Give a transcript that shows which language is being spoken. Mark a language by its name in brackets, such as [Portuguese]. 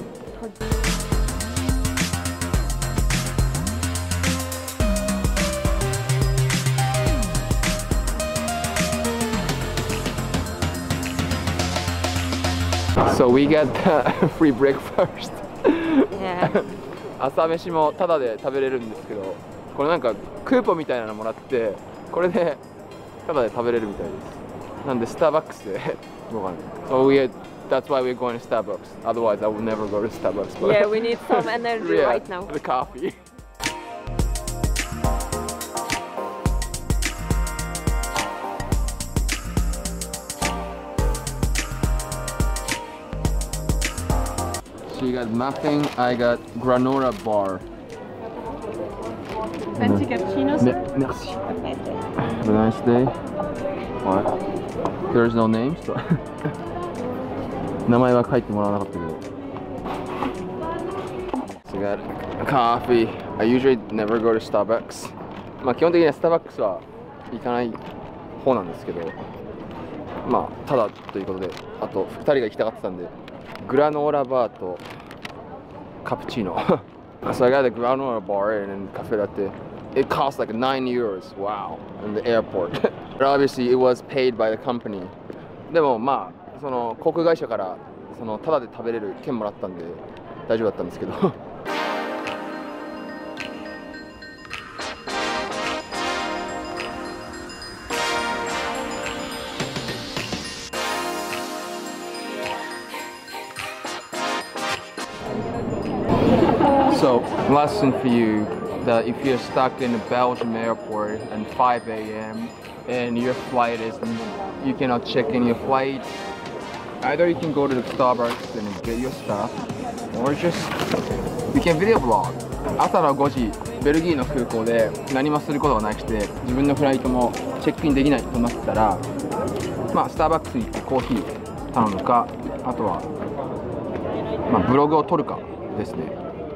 [English] だSo we got free breakfast. Yeah. [Japanese] 朝飯もタダで食べれるんですけど、これなんかクーポンみたいなのもらって、これでタダで食べれるみたいです。なんでスターバックスで動かない。 [English] So we, that's why we're going to Starbucks. Otherwise, I would never go to Starbucks. But yeah, we need some energy yeah, right now. The coffee. She got muffin, I got granola bar. Fancy cappuccino, sir? Merci. Have a nice day. What? There's no name, so. [Japanese] 名前は書いてもらわなかったけど。 [English] So I got coffee. I usually never go to Starbucks. [Japanese] まあ基本的にはスターバックスは行かない方なんですけど、まあただということで、あと2人が行きたかってたんで、グラノーラバーとカプチーノ。 [English] So I got a granola bar and a cafe latte. It cost like 9 euros. Wow. In the airport. But obviously it was paid by the company. [Japanese] でもまあその航空会社からそのタダで食べれる券もらったんで大丈夫だったんですけど。 [English] So, lesson for you that if you're stuck in a Belgium airport at 5 a.m. and your flight is, you cannot check in your flight, either you can go to the Starbucks and get your stuff, or just you can video vlog. [Japanese] 朝の5時、ベルギーの空港で何もすることがなくて、自分のフライトもチェックインできないとなったら、まあ、スターバックスに行ってコーヒー頼むか、あとは、まあ、ブログを撮るかですね。